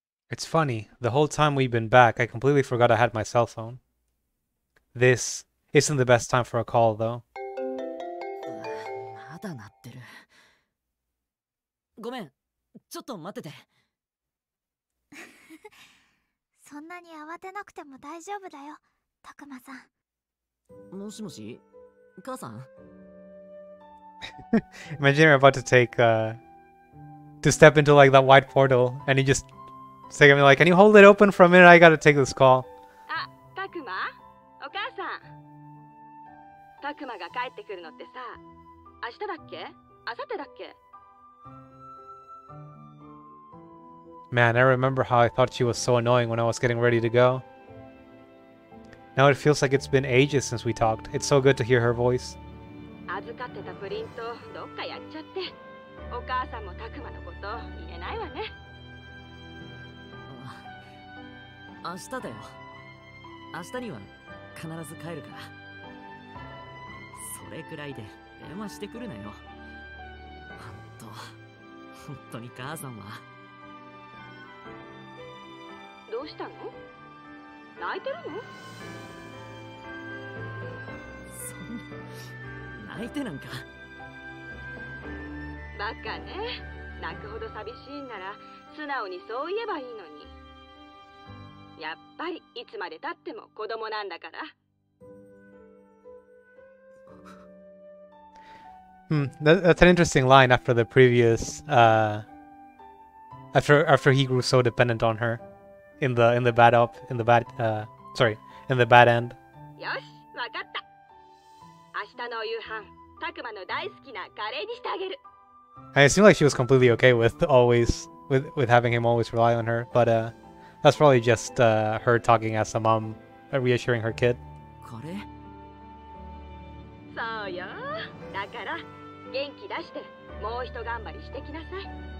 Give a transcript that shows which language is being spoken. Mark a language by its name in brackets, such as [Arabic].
[English] It's funny, the whole time we've been back, I completely forgot I had my cell phone. This isn't the best time for a call, though. [Japanese] まだ鳴ってる。ごめん、ちょっと待ってて。そんなに慌てなくても大丈夫だよ、たくまさん。もしもし、母さん。 [English] Imagine you're about to take, to step into like that white portal and you just... Say, I'm like, can you hold it open for a minute? I gotta take this call. [Japanese] Ah, Takuma? お母さん。 Takuma が帰ってくるのってさ、明日だっけ？明後日だっけ？ [English] Man, I remember how I thought she was so annoying when I was getting ready to go. Now it feels like it's been ages since we talked. It's so good to hear her voice. [Japanese] 預かってたプリントどっかやっちゃって、お母さんも Takuma のこと言えないわね。明日だよ。明日には必ず帰るから。それくらいで電話してくるなよ。本当、本当に母さんは。どうしたの？泣いてるの？そんな、泣いてなんか。バカね。泣くほど寂しいんなら素直にそう言えばいいのに。やっぱりいつまでたっても子供なんだから。 [English] That's an interesting line after the previous, after he grew so dependent on her, in the bad end. [Japanese] よし、わかった。明日のお夕飯、たくまの大好きなカレーにしてあげる。 [English] And it seemed like she was completely okay with having him always rely on her, but, That's probably just her talking as a mom, reassuring her kid. [Japanese] これ。そうよ。だから元気出してもう一頑張りしてきなさい。